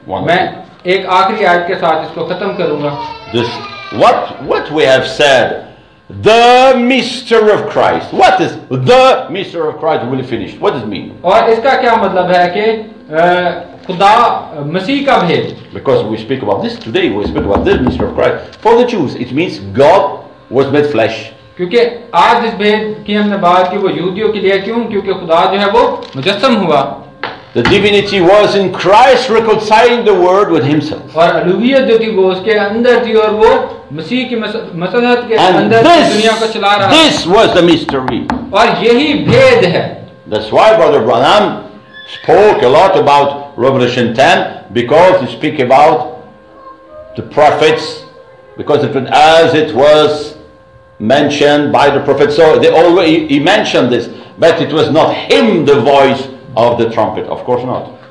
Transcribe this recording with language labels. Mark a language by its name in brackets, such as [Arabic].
[Hindi] मैं एक आखिरी आयत के साथ इसको खत्म करूंगा। [English] This what we have said, the mystery of Christ. What is the mystery of Christ? Will it finish? What does it mean? [Hindi] और इसका क्या मतलब है कि खुदा मसीह का भेद? [English] Because we speak about this today, we speak about this mystery of Christ. For the Jews, it means God was made flesh. [Hindi] क्योंकि आज इस भेद की हमने बात की वो यहूदियों के लिए, क्यों? क्योंकि खुदा जो है वो मुजस्सम हुआ। [English] The divinity was in Christ reconciling the world with himself. [Hindi] और अलूहियत जो थी वो उसके अंदर थी और वो मसीह की मसलहत के अंदर दुनिया को चला रहा। [English] This was the mystery. [Hindi] और यही भेद है। [English] That's why Brother Branham spoke a lot about Revelation 10, because he speak about the prophets, because it, as it was mentioned by the prophet, so they always he mentioned this, but it was not him the voice of the trumpet, of course not.